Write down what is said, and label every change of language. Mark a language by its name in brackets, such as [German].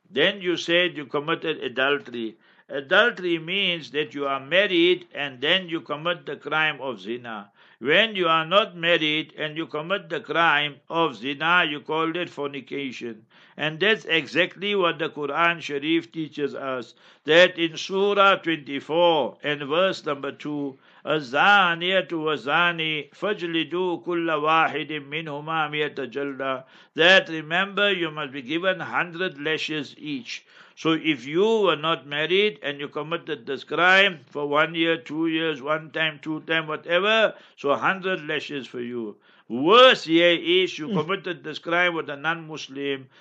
[English] Then you said you committed adultery. Adultery means that you are married and then you commit the crime of zina. When you are not married and you commit the crime of zina, you call it fornication. And that's exactly what the Quran Sharif teaches us, that in Surah 24 and verse number 2, [Arabic] الزانيه والزاني فجلدوا كل واحد منهما مئه جلده. [English] That remember, you must be given 100 lashes each. So if you were not married and you committed this crime for 1 year, 2 years, one time, two time, whatever, so 100 lashes for you. Worse here is you committed this crime with a non-Muslim.